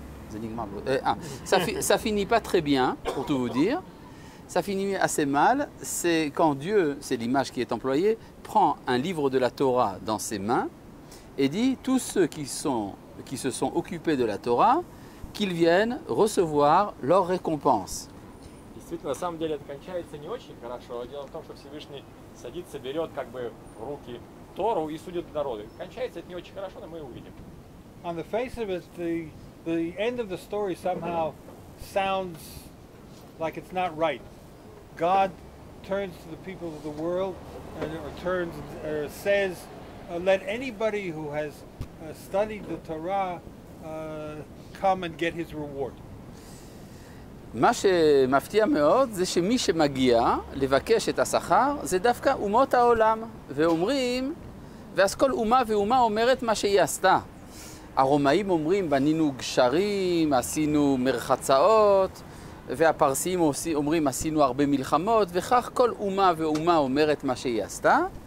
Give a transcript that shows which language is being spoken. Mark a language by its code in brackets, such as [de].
[he] זה נגמר, [fr] ça finit pas très bien, pour tout vous dire. Ça finit assez mal, c'est quand Dieu, c'est l'image qui est employée, prend un livre de la Torah dans ses mains, et dit tous ceux qui se sont occupés de la Torah qu'ils viennent recevoir leur récompense. [ru] Действительно, на самом деле, это кончается не очень хорошо. Дело в том, что Всевышний садится, берет как бы в руки Тору и судит народы. Кончается это не очень хорошо, но мы увидим. [en] On the face of it, the end of the story somehow sounds like it's not right. God turns to the people of the world and turns or says let anybody who has studied the Torah come and get his reward. [he] מה שמפתיע מאוד זה שמי שמגיע לבקש את השכר זה דווקא אומות העולם ואומרים, ואז כל אומה ואומה אומרת מה שהיא עשתה. הרומאים אומרים, בנינו גשרים, עשינו מרחצאות, והפרסים אומרים, עשינו הרבה מלחמות, וכך כל אומה ואומה אומרת מה שהיא עשתה.